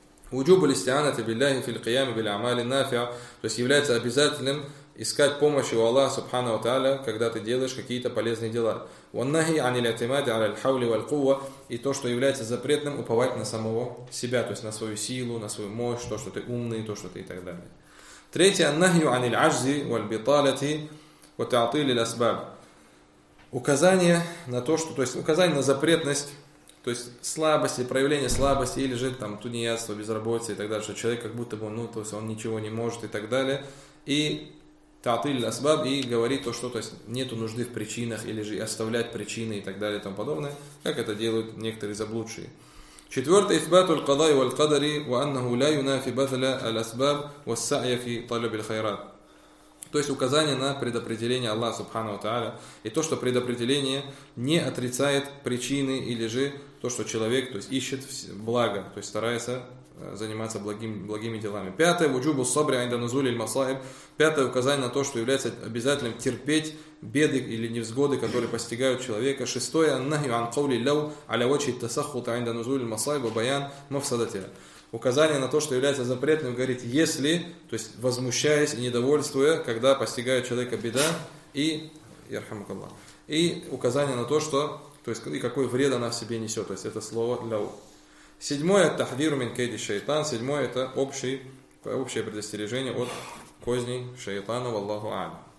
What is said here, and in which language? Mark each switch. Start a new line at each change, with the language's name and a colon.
Arabic: Уджубу листианати билляхи фил киями биль амали нафиа,
Russian: то есть является обязательным искать помощи у Аллаха субханаху тааля, когда ты делаешь какие-то полезные дела.
Arabic: Ваннахи анил атимади аляль хаули валь кувва,
Russian: и то, что является запретным, уповать на самого себя, то есть на свою силу, на свою мощь, то, что ты умный, то, что ты и так далее.
Arabic: Третье, النهي عن العجز والبطالة وتعطيل الأسباب.
Russian: Указание на то, что, то есть указание на запретность, то есть слабости, проявление слабости или же там тунеядство, безработица и так далее, что человек как будто бы, ну, то есть он ничего не может и так далее. И
Arabic: تعطيل الأسباب,
Russian: и говорит то, что, то есть нету нужды в причинах или же оставлять причины и так далее и тому подобное, как это делают некоторые заблудшие.
Arabic: Четвертое, إثبات القضاء والقدر وأنه لا ينافي بذل الأسباب والسعي في طلب الخيرات.
Russian: То есть указание на предопределение Аллаха субханаху ва тааля, и то, что предопределение не отрицает причины или же то, что человек, то есть ищет благо, то есть старается заниматься благими делами.
Arabic: Пятое, وجوب الصبر عند نزول المصائب.
Russian: Пятое, указание на то, что является обязательным терпеть беды или невзгоды, которые постигают человека.
Arabic: Шестое, النهي عن قول لو على وجه التسخط عند نزول المصائب وبيان مفسدتها.
Russian: Указание на то, что является запретным, говорит, если, то есть возмущаясь и недовольствуя, когда постигает человека беда, и ярхамакаллах. И указание на то, что, то есть, и какой вред она в себе несет, то есть это слово лау. Седьмое,
Arabic: тахдиру мин кейди шайтан.
Russian: Седьмое, это общее предостережение от козней шайтана, валлаху аля.